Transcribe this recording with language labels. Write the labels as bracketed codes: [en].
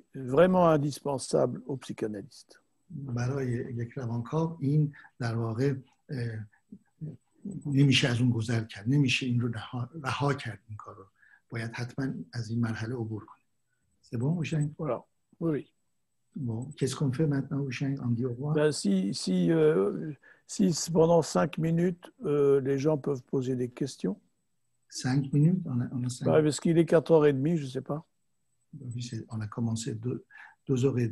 [fr] vraiment indispensable au psychanalyste [fa] برای یک روانکاو این در واقع نمیشه از اون گذر کرد نمیشه این رو رها کرد این کارو باید حتما از این مرحله عبور کنه سبون بشن [fr] voilà oui bon qu'est-ce qu'on fait maintenant Hushain on dit au revoir ben si pendant 5 minutes, les gens peuvent poser des questions. 5 minutes on a 5... Bah, parce qu'il est 4h30, je ne sais pas. Oui, on a commencé 2h30.